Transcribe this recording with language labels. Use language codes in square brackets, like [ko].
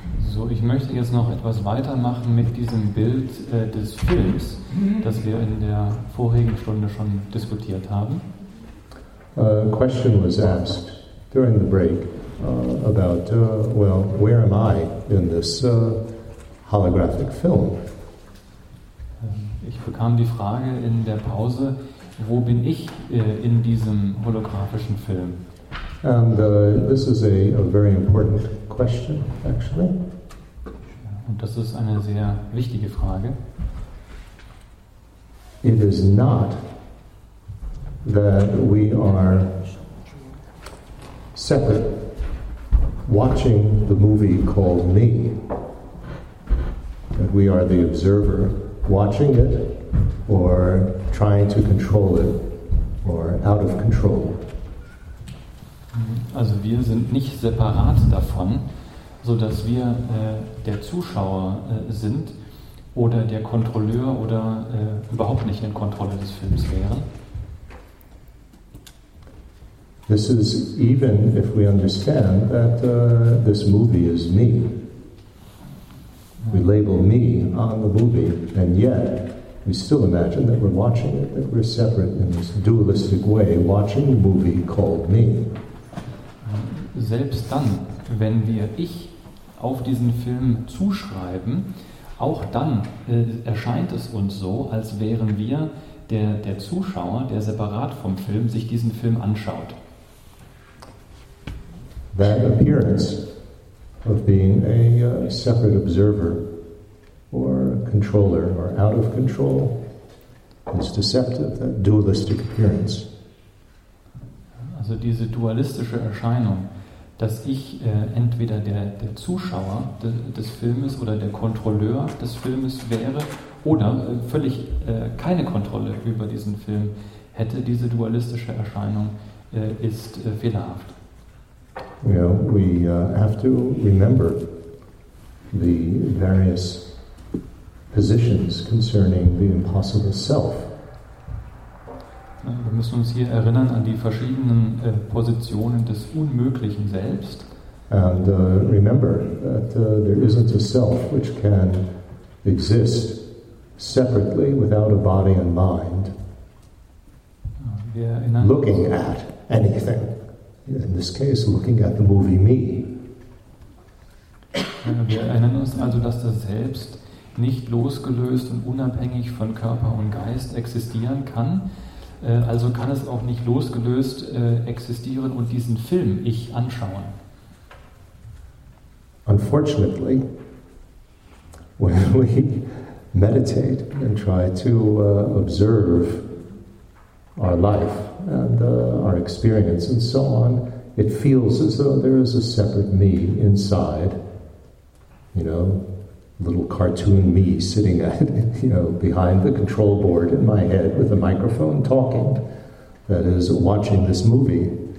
[de] So, ich möchte jetzt noch etwas weitermachen mit diesem Bild des Films, das wir in der vorigen Stunde schon diskutiert haben. [en] A question was asked during the break about, well, where am I in this holographic film? [de] Ich bekam die Frage in der Pause, wo bin ich in diesem holographischen Film? [en] And this is a very important question, actually. [de] Und das ist eine sehr wichtige Frage. [en] It is not that we are separate, watching the movie called me, that we are the observer watching it, or trying to control it, or out of control. [de] Also wir sind nicht separat davon, so dass wir der Zuschauer sind oder der Kontrolleur oder überhaupt nicht in Kontrolle des Films wären. [en] This is even if we understand that this movie is me. We label me on the movie, and yet we still imagine that we're watching it, that we're separate in this dualistic way, watching the movie called me. [de] Selbst dann, wenn wir ich auf diesen Film zuschreiben, auch dann erscheint es uns so, als wären wir der Zuschauer, der separat vom Film sich diesen Film anschaut. [en] That appearance of being a separate observer or controller or out of control is deceptive, that dualistic appearance. [de] Also diese dualistische Erscheinung, dass ich entweder der Zuschauer des Filmes oder der Kontrolleur des Filmes wäre oder völlig keine Kontrolle über diesen Film hätte, diese dualistische Erscheinung ist fehlerhaft. [en] You know, we have to remember the various positions concerning the impossible self. [de] Wir müssen uns hier erinnern an die verschiedenen Positionen des unmöglichen Selbst. [en] And remember that there isn't a self which can exist separately without a body and mind looking at anything. In this case, looking at the movie me. [de] Wir erinnern uns also, dass das Selbst nicht losgelöst und unabhängig von Körper und Geist existieren kann. Also kann es auch nicht losgelöst existieren und diesen Film ich anschauen. [en] Unfortunately, when we meditate and try to observe our life and our experience and so on, it feels as though there is a separate me inside, you know, little cartoon me sitting at, you know, behind the control board in my head with a microphone talking, that is watching this movie.